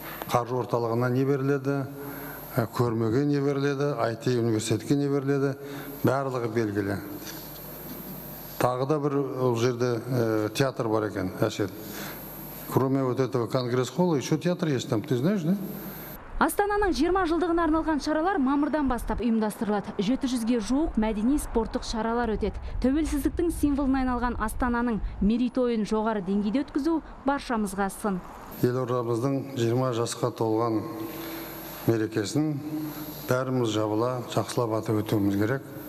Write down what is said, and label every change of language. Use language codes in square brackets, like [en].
[kk] Қаржы орталығына не беріледі, көрмеге не беріледі, IT университетке не беріледі, барлығы белгілі. Тағы да бір ол жерде театр бар екен, Әсет. [ru] Кроме вот этого конгресс холла, еще театр есть там, ты знаешь, да? [kk] Астананың 20 жылдығына арналған шаралар мамырдан бастап ұйымдастырылады. 700-ге жуық мәдени спорттық шаралар өтеді. Тәуелсіздіктің символына айналған Астананың мерейтойын жоғары деңгейде өткізу баршамызға сын. Елордамыздың 20 жасқа толған мерекесін бәріміз жабыла жақсылап атап өтуіміз керек.